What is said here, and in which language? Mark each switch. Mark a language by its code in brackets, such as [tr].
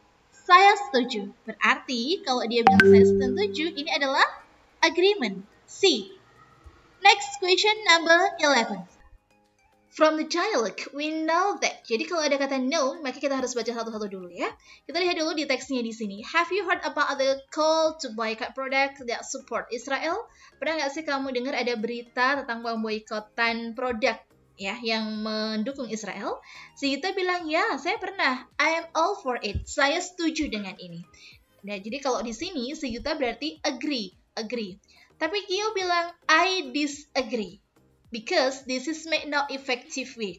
[id] Saya setuju. Berarti, kalau dia bilang saya setuju, ini adalah agreement. C. [en] Next question number 11. From the dialogue, we know that. [id] Jadi kalau ada kata no, maka kita harus baca satu-satu dulu ya. Kita lihat dulu di teksnya di sini. [en] Have you heard about the call to boycott product that support Israel? [id] Pernah nggak sih kamu dengar ada berita tentang pemboikotan produk ya yang mendukung Israel? Si Yuta bilang, ya saya pernah. [en] I am all for it. [id] Saya setuju dengan ini. Nah, jadi kalau di sini, si Yuta berarti agree. Agree. Tapi Kyo bilang, [en] I disagree. Because this is made not effective way.